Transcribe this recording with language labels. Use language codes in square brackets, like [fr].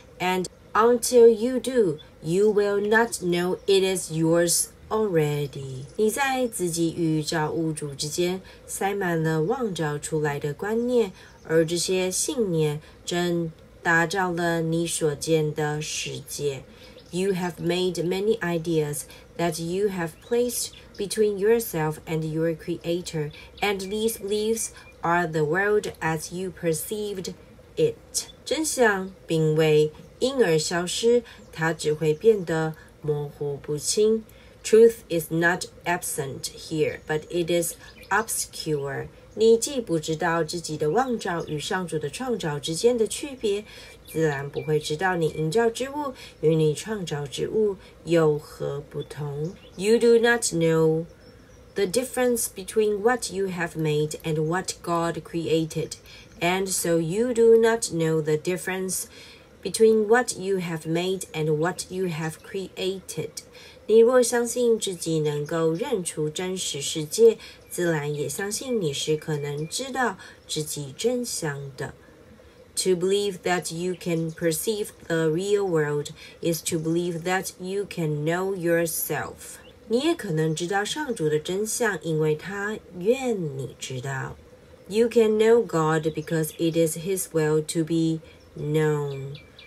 [en] and until you do you will not know it is yoursAlready, [zh] 你在自己与造物主之间塞满了妄造出来的观念，而这些信念正打造了你所见的世界。 [en] You have made many ideas that you have placed between yourself and your creator, and these beliefs are the world as you perceived it. [zh] 真相并未因而消失，它只会变得模糊不清。 [en] Truth is not absent here, but it is obscure. [zh] 你既不知道自己的妄造与上主的创造之间的区别，自然不会知道你营造之物与你创造之物有何不同。 [en] You do not know the difference between what you have made and what God created, and so you do not know the difference between what you have made and what you have created. [zh] 你若相信自己能够认出真实世界，自然也相信你是可能知道自己真相的。 [en] To believe that you can perceive the real world is to believe that you can know yourself. [zh] 你也可能知道上主的真相，因为他愿你知道。 [en] You can know God because it is his will to be known.